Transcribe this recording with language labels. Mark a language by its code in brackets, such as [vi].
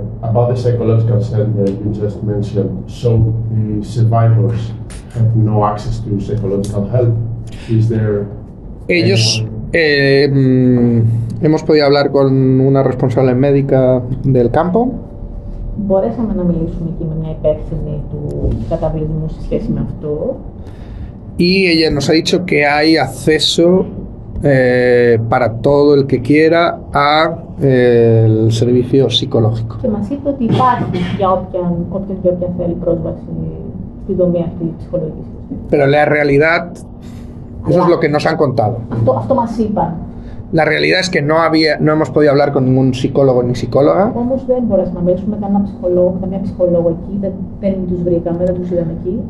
[en] About the psychological center you just mentioned, so the survivors have no access to psychological help. Is there? [es] Ellos, hemos podido hablar con una responsable médica del campo. [el] Μπορέσαμε να μιλήσουμε εκεί με μια υπεύθυνη του καταβλισμού σε σχέση με αυτό. [es] Y ella nos ha dicho que hay acceso para todo el que quiera a el servicio psicológico. [el] Και μας είπε ότι υπάρχει για όποιον και όποια θέλει πρόσβαση στη δομή αυτή της ψυχολογικής. [es] Pero la realidad, eso es lo que nos han contado. [el] Αυτό μας είπαν. [es] La realidad es que no hemos podido hablar con ningún psicólogo ni psicóloga. [el] Όμως δεν μπορέσαμε να μιλήσουμε κανένα ψυχολόγο, κανένα ψυχολόγο εκεί, δεν τους βρήκαμε, δεν τους είδαμε εκεί.